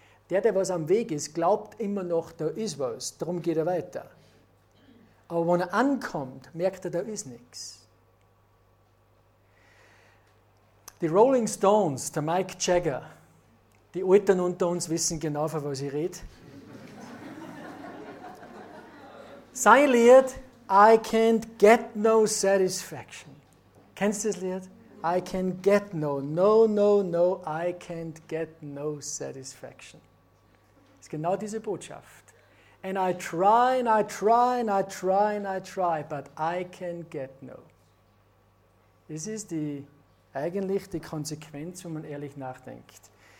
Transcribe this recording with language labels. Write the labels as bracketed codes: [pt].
[de] Der was am Weg ist, glaubt immer noch, da ist was, darum geht er weiter. Aber wenn er ankommt, merkt er, da ist nichts. Die Rolling Stones, der Mike Jagger, die Eltern unter uns wissen genau, von was ich rede. Sein Lied, [en] I can't get no satisfaction. [de] Kennst du das Lied? [en] I can't get no, I can't get no satisfaction. [de] Das ist genau diese Botschaft. [en] And I try, and I try, and I try, and I try, but I can't get no. [de] Das ist eigentlich die Konsequenz, wenn man ehrlich nachdenkt.